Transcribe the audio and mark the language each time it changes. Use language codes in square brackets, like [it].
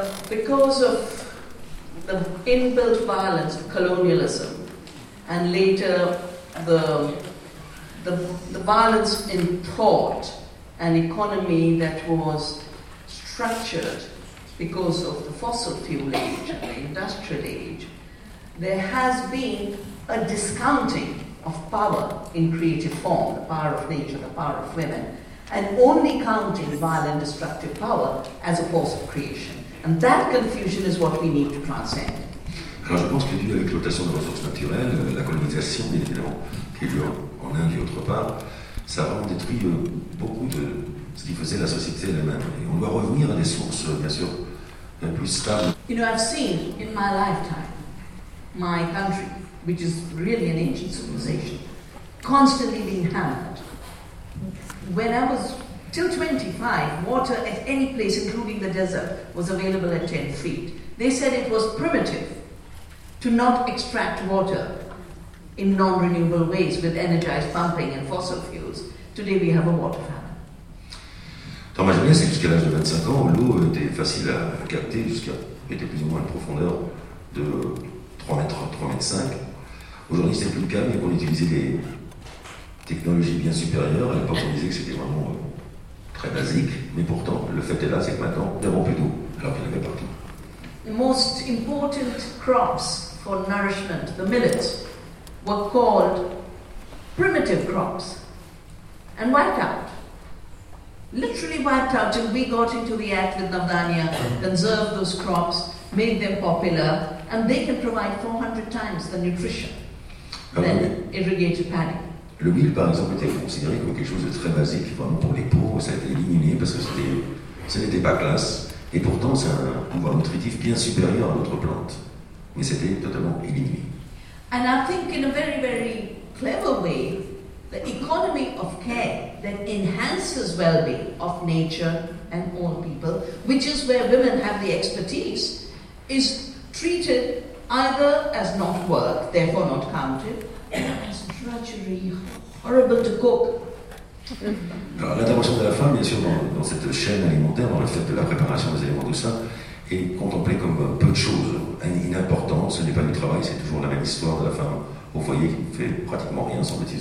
[en] Because of the inbuilt violence of colonialism and later the violence in thought and economy that was structured because of the fossil fuel age and the industrial age, there has been a discounting of power in creative form, the power of nature, the power of women, and only counting violent destructive power as a force of creation. And that confusion is what we need to transcend. [fr] Alors je pense que dû à l'exploitation de ressources naturelles, la colonisation, bien évidemment, qui est due en Inde et autre part, ça a vraiment détruit beaucoup de ce qui faisait la société elle-même. Et on doit revenir à des sources, bien sûr, plus stables. [en] You know, I've seen in my lifetime, my country, which is really an ancient civilization, constantly being hammered. When I was till 25, water at any place, including the desert, was available at 10 feet. They said it was primitive to not extract water in non-renewable ways with energized pumping and fossil fuels. Today we have a water famine. [fr] Dans ma jeunesse, c'est jusqu'à l'âge de 25 ans, l'eau était facile à capter, jusqu'à était plus ou moins à une profondeur de 3 mètres 5. Aujourd'hui, c'est plus le cas, mais on utilisait des technologies bien supérieures. À l'époque, on disait que c'était vraiment très basique, mais pourtant, le fait est là, c'est que maintenant, nous n'avons plus d'eau, alors qu'il y en avait partout. [en] The most important crops for nourishment, the millets, were called primitive crops and wiped out. Literally wiped out till we got into the act with Navdanya, conserved those crops, made them popular, and they can provide 400 times the nutrition than irrigated paddy. [fr] Le mil, par exemple, était considéré comme quelque chose de très basique, vraiment pour les pauvres, ça a été éliminé parce que ce n'était pas classe. Et pourtant, c'est un pouvoir nutritif bien supérieur à notre plante. Mais c'était totalement éliminé. [en] And I think in a very, very clever way, the economy of care that enhances well-being of nature and all people, which is where women have the expertise, is treated either as not work, therefore not counted, [fr] alors, l'intervention de la femme, bien sûr, dans cette chaîne alimentaire, dans le fait de la préparation des aliments, tout ça, est contemplée comme peu de choses, inimportante. Ce n'est pas du travail, c'est toujours la même histoire de la femme au foyer qui ne fait pratiquement rien, semble-t-il.